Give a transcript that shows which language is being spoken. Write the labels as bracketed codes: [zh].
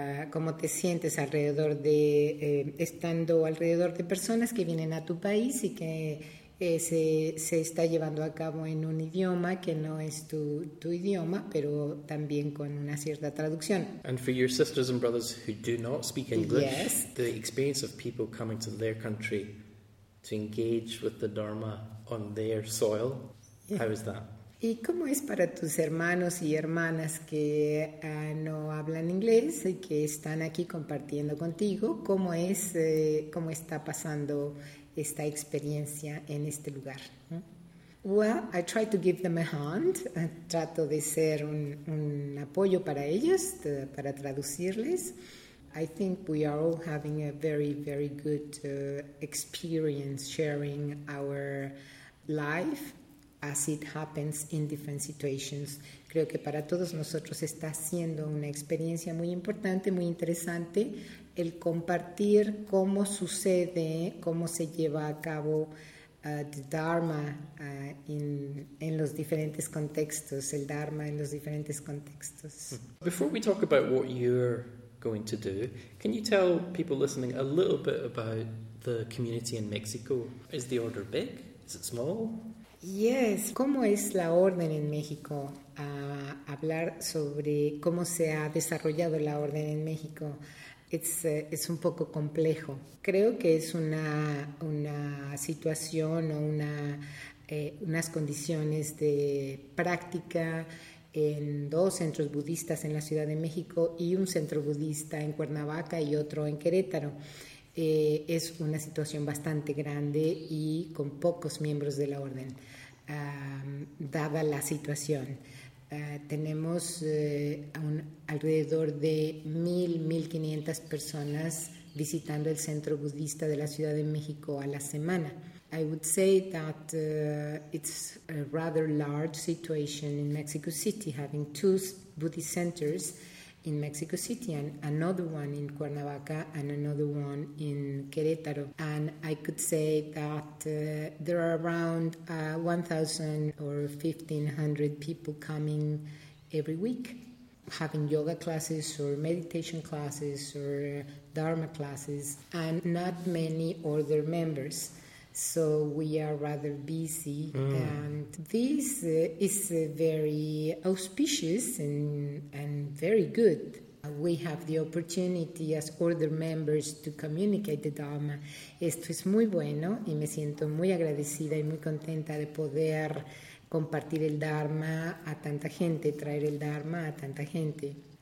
[es] ¿Cómo te sientes alrededor de estando alrededor de personas que vienen a tu país y que se está llevando a cabo en un idioma que no es tu idioma, pero también con una cierta traducción? [en] And for your sisters and brothers who do not speak English, yes. The experience of people coming to their country to engage with the Dharma on their soil, yeah. How is that? [es] ¿Y cómo es para tus hermanos y hermanas que no hablan inglés y que están aquí compartiendo contigo? ¿Cómo es, cómo está pasando esta experiencia en este lugar? [en] Well, I try to give them a hand. [es] Trato de ser un apoyo para ellos, para traducirles. [en] I think we are all having a very, very good experience sharing our life as it happens in different situations. [es] Creo que para todos nosotros está siendo una experiencia muy importante, muy interesante, el compartir cómo sucede, cómo se lleva a cabo [en] the Dharma in [es] los diferentes contextos, el Dharma en los diferentes contextos. [en] Before we talk about what you're going to do, can you tell people listening a little bit about the community in Mexico? Is the order big? Is it small? [es] Yes, ¿cómo es la orden en México? Hablar sobre cómo se ha desarrollado la orden en México es un poco complejo. Creo que es una situación o unas condiciones de práctica en dos centros budistas en la Ciudad de México y un centro budista en Cuernavaca y otro en Querétaro. Es una situación bastante grande y con pocos miembros de la orden. Dada la situación, tenemos alrededor de 1,500 personas visitando el centro budista de la Ciudad de México a la semana. [en] I would say that it's a rather large situation in Mexico City, having two Buddhist centers in Mexico City and another one in Cuernavaca and another one in Querétaro. And I could say that there are around 1,000 or 1,500 people coming every week. having yoga classes or meditation classes or dharma classes, and not many other members. So we are rather busy. And this is very auspicious and very good. We have the opportunity as other members to communicate the Dharma. [es] Esto es muy bueno y me siento muy agradecida y muy contenta de poder compartir el Dharma a tanta gente, traer el Dharma a tanta gente.